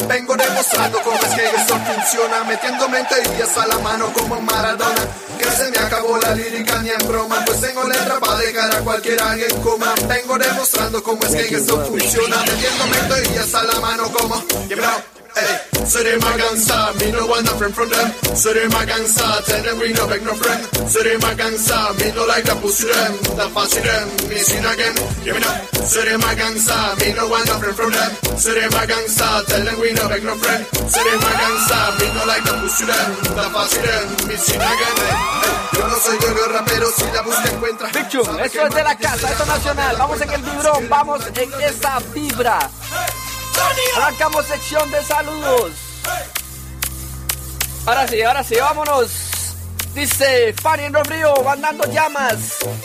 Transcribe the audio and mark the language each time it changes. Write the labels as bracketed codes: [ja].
[es] Vengo demostrando cómo es que eso funciona, metiendo menterías a la mano como Maradona. Que se me acabó la lírica ni en broma, pues tengo letra para dejar a cualquiera en coma. Vengo demostrando cómo es que eso funciona, metiendo menterías a la mano como. [en] Say they Maganza, me no want no friend from them. Say they Maganza, tell them we no beg no friend. Say they Maganza, me no like the pussy them. The fancy them, missing again. Give me no. Say they Maganza, me no want no friend from them. Say they Maganza, tell them we no beg no friend. Say they Maganza, me no like the pussy them. The fancy them, missing again. [es] Yo no soy yo rapero, si la busca encuentra. Bicho, esto es de la casa, esto es nacional. Vamos en el vibrón, vamos en esa vibra. Arrancamos sección de saludos. Ahora sí, vámonos. Dice Fanny en Robrío, van dando llamas.